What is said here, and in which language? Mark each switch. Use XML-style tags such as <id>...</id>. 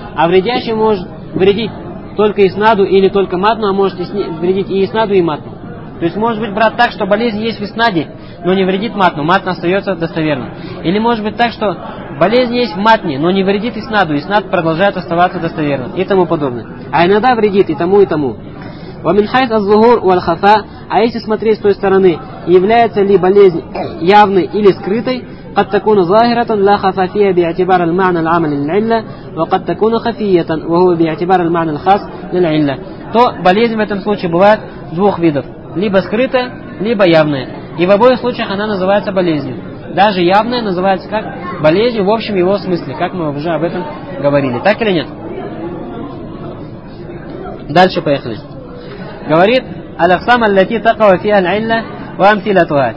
<ru>А вредящий может вредить только иснаду или только матну, а может вредить и иснаду, и матну. То есть может быть, брат, так, что болезнь есть в иснаде, но не вредит матну, матна остается достоверным. Или может быть так, что болезнь есть в матне, но не вредит иснаду, иснад продолжает оставаться достоверным и тому подобное. А иногда вредит и тому, и тому.</ru> <ar>ومن حيث الظهور والخفاء</ar> <ru>а если смотреть с той стороны, является ли болезнь явной или скрытой,</ru> <ar>قد تكون ظاهرة لا خفاء فيها باعتبار المعنى العام للعلة وقد تكون خفية وهو باعتبار المعنى الخاص للعلة.</ar> <ru>То болезнь в этом случае бывает двух видов, либо скрытая, либо явная. И в обоих случаях она называется болезнью. Даже явная называется как болезнью в общем его смысле, как мы уже об этом говорили. Так или нет? Дальше поехали. Говорит Алексам Аллати Такава Фиал Айлла Вам Силатуа.</ru>